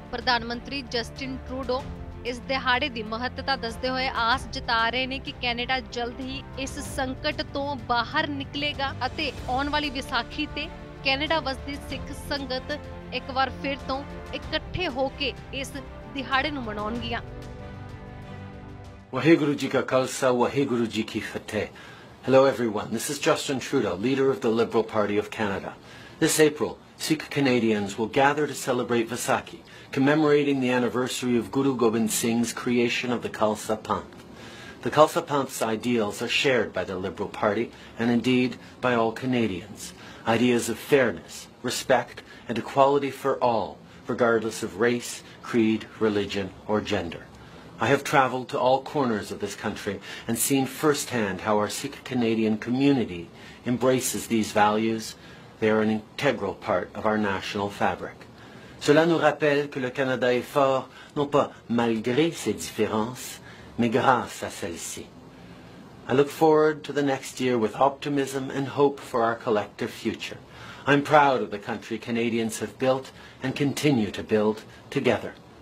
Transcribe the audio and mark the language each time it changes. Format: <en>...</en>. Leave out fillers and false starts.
<pa>ਪ੍ਰਧਾਨ ਮੰਤਰੀ Justin Trudeau ਇਸ ਦਿਹਾੜੇ ਦੀ ਮਹੱਤਤਾ ਦੱਸਦੇ ਹੋਏ ਆਸ ਜਤਾ ਰਹੇ ਨੇ ਕਿ ਕੈਨੇਡਾ ਜਲਦ ਹੀ ਇਸ ਸੰਕਟ ਤੋਂ ਬਾਹਰ ਨਿਕਲੇਗਾ ਅਤੇ ਆਉਣ ਵਾਲੀ ਵਿਸਾਖੀ ਤੇ ਕੈਨੇਡਾ ਵਸਦੀ ਸਿੱਖ ਸੰਗਤ ਇੱਕ ਵਾਰ ਫਿਰ ਤੋਂ ਇਕੱਠੇ ਹੋ ਕੇ ਇਸ ਦਿਹਾੜੇ ਨੂੰ ਮਨਾਉਣਗੀਆਂ। ਵਾਹਿਗੁਰੂ ਜੀ ਕਾ ਖਾਲਸਾ, ਵਾਹਿਗੁਰੂ ਜੀ ਕੀ ਫਤਿਹ।</pa> <en>Hello everyone, this is Justin Trudeau, leader of the Liberal Party of Canada. This April, Sikh Canadians will gather to celebrate Vaisakhi, commemorating the anniversary of Guru Gobind Singh's creation of the Khalsa Panth. The Khalsa Panth's ideals are shared by the Liberal Party, and indeed by all Canadians. Ideas of fairness, respect, and equality for all, regardless of race, creed, religion, or gender. I have traveled to all corners of this country and seen firsthand how our Sikh Canadian community embraces these values. They are an integral part of our national fabric.</en> <fr>Cela nous rappelle que le Canada est fort, non pas malgré ses différences, mais grâce à celles-ci.</fr> <en>I look forward to the next year with optimism and hope for our collective future. I'm proud of the country Canadians have built and continue to build together.</en>